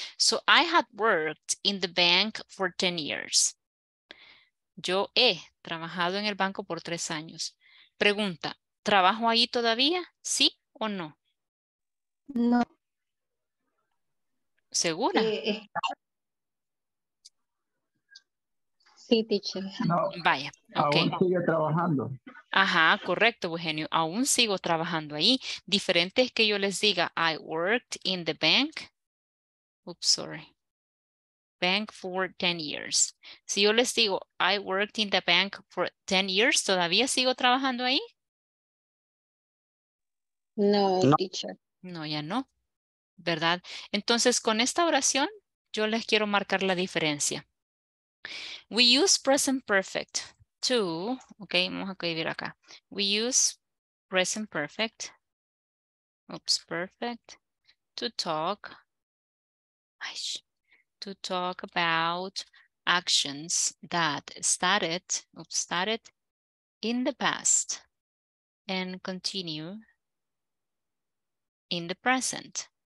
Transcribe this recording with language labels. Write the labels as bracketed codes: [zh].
[en] So I have worked in the bank for 10 years. [es] Yo he trabajado en el banco por 3 años. Pregunta, ¿trabajo ahí todavía? ¿Sí o no? No. ¿Segura? Sí, teacher. No, vaya, okay. Aún sigue trabajando. Ajá, correcto, Eugenio. Aún sigo trabajando ahí. Diferente es que yo les diga, [en] I worked in the bank. Bank for 10 years. [es] Si yo les digo, [en] I worked in the bank for 10 years, [es] ¿todavía sigo trabajando ahí? No, teacher. No, ya no. ¿Verdad? Entonces, con esta oración, yo les quiero marcar la diferencia. [en] We use present perfect to, okay, [es] vamos a escribir acá. [en] We use present perfect, to talk about actions that started in the past and continue in the present.